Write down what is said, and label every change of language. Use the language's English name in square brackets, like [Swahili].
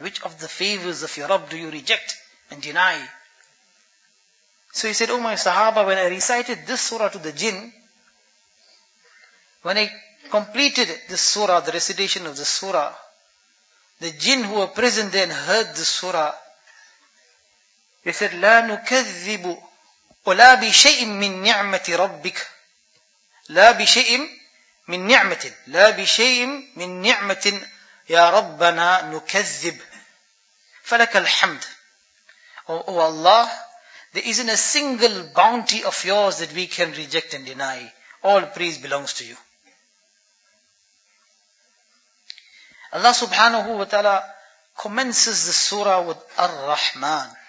[English] Which of the favors of your Rabb do you reject and deny? So he said, O my Sahaba, when I recited this surah to the jinn, when I completed this surah, the recitation of the surah, the jinn who were present then heard the surah. They said, [Arabic] لا نكذب ولا بشيء من نعمة ربك لا بشيء من نعمة لا بشيء من نعمة يا ربنا نكذب فلك الحمد. [English] O Allah, there isn't a single bounty of yours that we can reject and deny. All praise belongs to you. Allah subhanahu wa ta'ala commences the surah with Ar-Rahman.